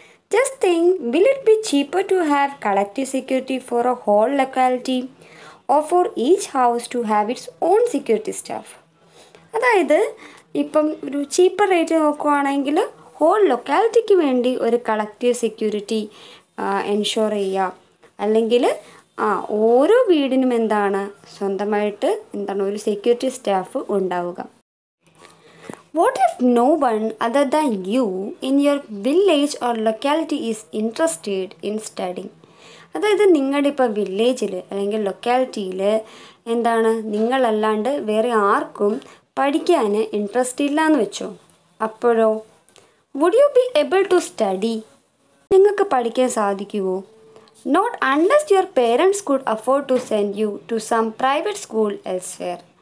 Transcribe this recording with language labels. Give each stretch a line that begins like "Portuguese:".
English: Just think, will it be cheaper to have collective security for a whole locality or for each house to have its own security staff?
Malayalam: അതായത് ഇപ്പം ഒരു cheaper rate നോക്കുകയാണെങ്കിൽ whole ലൊക്കാലിറ്റിക്ക് വേണ്ടി ഒരു collective security ensure ചെയ്യുക, അല്ലെങ്കിൽ ഓരോ വീടിനും എന്താണ് സ്വന്തമായിട്ട് എന്താണ് ഒരു സെക്യൂരിറ്റി സ്റ്റാഫ് ഉണ്ടാവുക.
English: What if no one other than you in your village or locality is interested in studying?
Malayalam: അതായത് നിങ്ങളുടെ ഇപ്പോൾ വില്ലേജിൽ അല്ലെങ്കിൽ ലൊക്കാലിറ്റിയിൽ എന്താണ് നിങ്ങളല്ലാണ്ട് വേറെ ആർക്കും പഠിക്കാൻ ഇൻട്രസ്റ്റ് ഇല്ല എന്ന് വെച്ചോ, അപ്പോഴോ
English: Would you be able to study?
Malayalam: നിങ്ങൾക്ക് പഠിക്കാൻ സാധിക്കുമോ?
English: Not unless your parents could afford to send you to some private school elsewhere.